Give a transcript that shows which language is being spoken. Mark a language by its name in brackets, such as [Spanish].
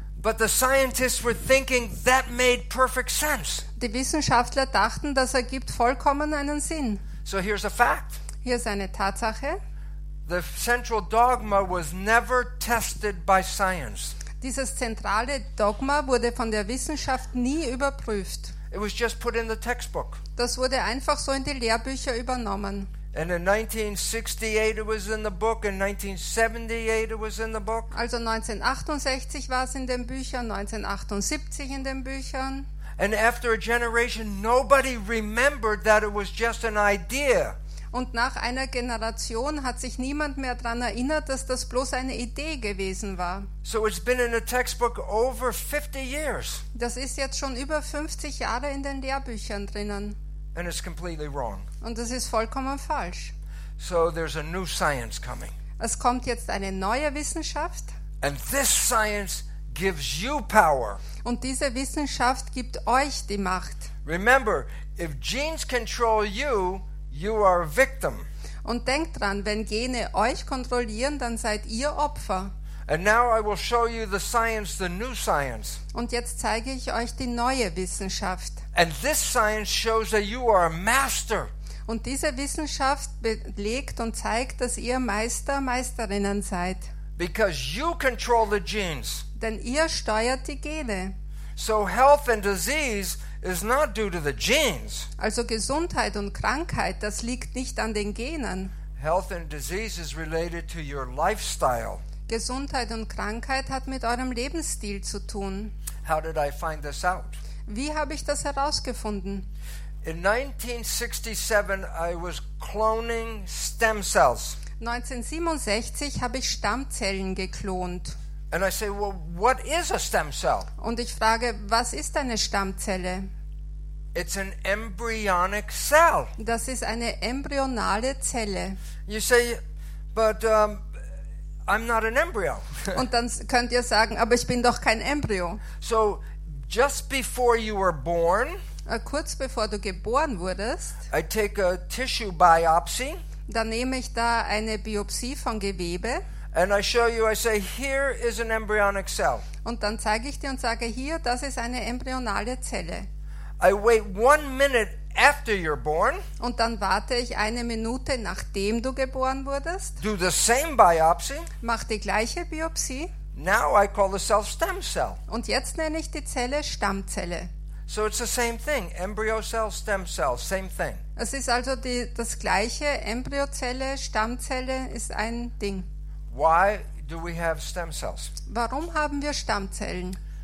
[English] But the scientists were thinking that made perfect sense. [German] Die Wissenschaftler dachten, das ergibt vollkommen einen Sinn. [English] So here's a fact. [German] Hier ist eine Tatsache. [English] The central dogma was never tested by science. [German] Dieses zentrale Dogma wurde von der Wissenschaft nie überprüft. [English] It was just put in the textbook. [German] Das wurde einfach so in die Lehrbücher übernommen. [English] And in 1968 it was in the book, in 1978 it was in the book. [German] Also 1968 war es in den Büchern, 1978 in den Büchern. [English] And after a generation nobody remembered that it was just an idea. [German] Und nach einer Generation hat sich niemand mehr daran erinnert, dass das bloß eine Idee gewesen war. [English] So it's been in a textbook over 50 years. [German] Das ist jetzt schon über 50 Jahre in den Lehrbüchern drinnen. [English] And it's completely wrong. [German] Und das ist vollkommen falsch. [English] So there's a new science coming. [German] Es kommt jetzt eine neue Wissenschaft. [English] And this science gives you power. [German] Und diese Wissenschaft gibt euch die Macht. [English] Remember, if genes control you, you are a victim. [German] Und denkt dran, wenn Gene euch kontrollieren, dann seid ihr Opfer. [English] And now I will show you the science, the new science. [German] Und jetzt zeige ich euch die neue Wissenschaft. [English] And this science shows that you are a master. [German] Und diese Wissenschaft belegt und zeigt, dass ihr Meister, Meisterinnen seid. [English] Because you control the genes. [German] Denn ihr steuert die Gene. [English] So health and disease is not due to the genes. [German] Also Gesundheit und Krankheit, das liegt nicht an den Genen. [English] Health and disease is related to your lifestyle. [German] Gesundheit und Krankheit hat mit eurem Lebensstil zu tun. [English] How did I find this out? [German] Wie habe ich das herausgefunden? [English] In 1967 I was cloning stem cells. [German] 1967 habe ich Stammzellen geklont. [English] And I say, well, what is a stem cell? [German] Und ich frage, was ist eine Stammzelle? [English] It's an embryonic cell. [German] Das ist eine embryonale Zelle. [English] You say, but I'm not an embryo. [German] Und dann könnt ihr sagen, aber ich bin doch kein Embryo. [English] So, just before you were born, [German] kurz bevor du geboren wurdest, [English] I take a tissue biopsy. [German] Dann nehme ich da eine Biopsie von Gewebe. [English] And I show you, I say, here is an embryonic cell. [German] Und dann zeige ich dir und sage, hier, das ist eine embryonale Zelle. [English] I wait 1 minute after you're born. [German] Und dann warte ich eine Minute, nachdem du geboren wurdest. [English] Do the same biopsy. [German] Mach die gleiche Biopsie. [English] Now I call the cell stem cell. [German] Und jetzt nenne ich die Zelle Stammzelle. [English] So it's the same thing, embryo cell, stem cell, same thing. [German] Es ist also das gleiche, Embryozelle, Stammzelle ist ein Ding. [English] Why do we have stem cells? [German] Warum haben wir Stammzellen?